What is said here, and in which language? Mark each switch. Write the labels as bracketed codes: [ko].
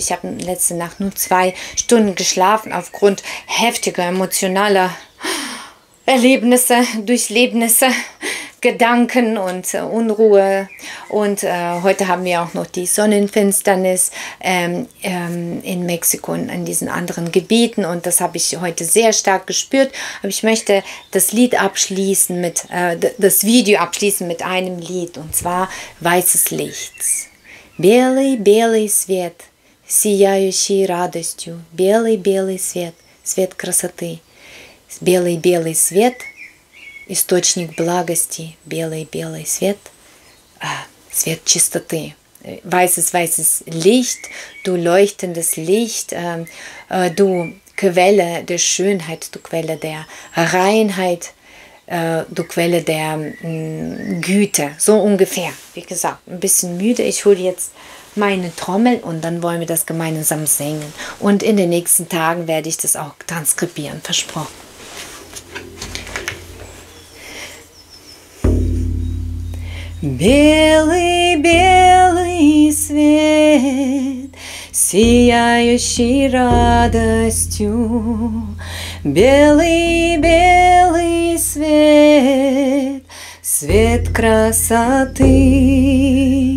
[de] Ich habe letzte Nacht nur 2 Stunden geschlafen aufgrund heftiger emotionaler Erlebnisse, Durchlebnisse, Gedanken und Unruhe, und heute haben wir auch noch die Sonnenfinsternis in Mexiko und in diesen anderen Gebieten, und das habe ich heute sehr stark gespürt. Aber ich möchte das Lied abschließen mit das Video abschließen mit einem Lied, und zwar Weißes Licht. [ru] Белый, белый свет, сияющий радостью. Белый, белый свет, свет красоты. Белый, белый свет, источник благости, белый-белый свет, свет чистоты. [de] Weißes, weißes Licht, du leuchtendes Licht, du Quelle der Schönheit, du Quelle der Reinheit, du Quelle der Güte, so ungefähr. Wie gesagt, ein bisschen müde, ich hole jetzt meine Trommel und dann wollen wir das gemeinsam singen. Und in den nächsten Tagen werde ich das auch transkribieren, versprochen. [ru] Белый, белый свет, сияющий радостью. Белый, белый свет, свет красоты.